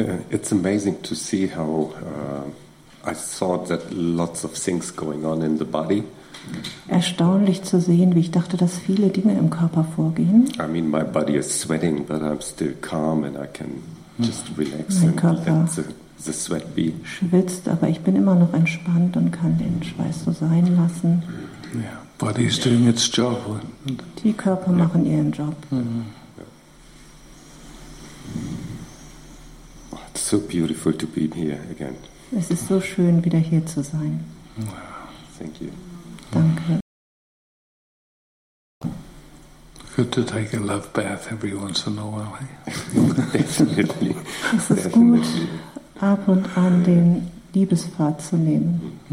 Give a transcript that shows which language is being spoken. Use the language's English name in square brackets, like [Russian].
[English] It's amazing to see how I thought that lots of things going on in the body. [German] Erstaunlich zu sehen, wie ich dachte, dass viele Dinge im Körper vorgehen. [English] I mean, my body is sweating, but I'm still calm and I can just relax mein and Körper let the sweat be. [German] Schwitzt, aber ich bin immer noch entspannt und kann den Schweiß so sein lassen. [English] Yeah, body is doing its job. [German] Die Körper machen ihren Job. [English] Oh, it's so beautiful to be here again. [German] Es ist so schön, wieder hier zu sein. [English] Thank you. [German] Danke. [English] Good to take a love bath every once in a while. Hey? Definitely. [German] Es ist gut, ab und an den Liebespfad zu nehmen.